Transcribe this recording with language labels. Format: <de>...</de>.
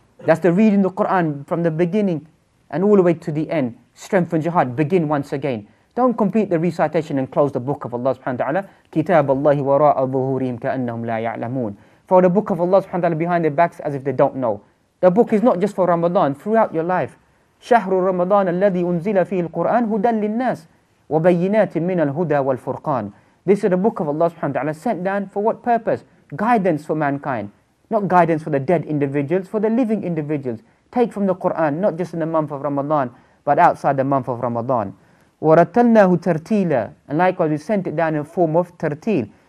<en>That's the reading the Quran from the beginning and all the way to the end. Strengthens your heart. Begin once again. Don't complete the recitation and close the book of Allah subhanahu wa ta'ala.</en> <ar>كِتَابَ اللَّهِ وَرَاءَ ظُهُورِهِمْ كَأَنَّهُمْ لَا يَعْلَمُونَ.</ar> <en>For the book of Allah subhanahu wa ta'ala behind their backs as if they don't know. The book is not just for Ramadan, throughout your life.</en> <ar>شهر رمضان الذي أنزل فيه القرآن هدى للناس وبينات من الهدى والفرقان.</ar> <en>This is the book of Allah subhanahu wa ta'ala sent down for what purpose? Guidance for mankind. Not guidance for the dead individuals, for the living individuals. Take from the Quran, not just in the month of Ramadan, but outside the month of Ramadan.</en> <ar>وَرَتَّلْنَاهُ تَرْتِيلًا.</ar> <en>And likewise, we sent it down in the form of tartil.</en>